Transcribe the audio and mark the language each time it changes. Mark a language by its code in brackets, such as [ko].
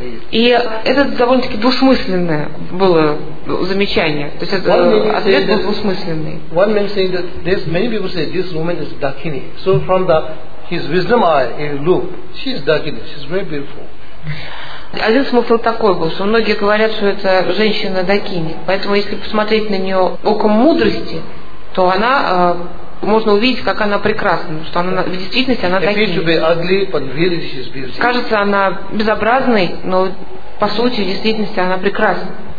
[ru] И это довольно-таки двусмысленное было замечание. То есть это ответ был двусмысленный. [en] One man saying that there's many people say this woman is Dakini. So from the his wisdom eye, he look, she's Dakini, she's very beautiful. [ru] Один смысл такой был, что многие говорят, что это женщина Дакини. Поэтому если посмотреть на нее оком мудрости, то она можно увидеть, как она прекрасна, что она в действительности она Дакини. Кажется, она безобразной, но по сути в действительности она прекрасна.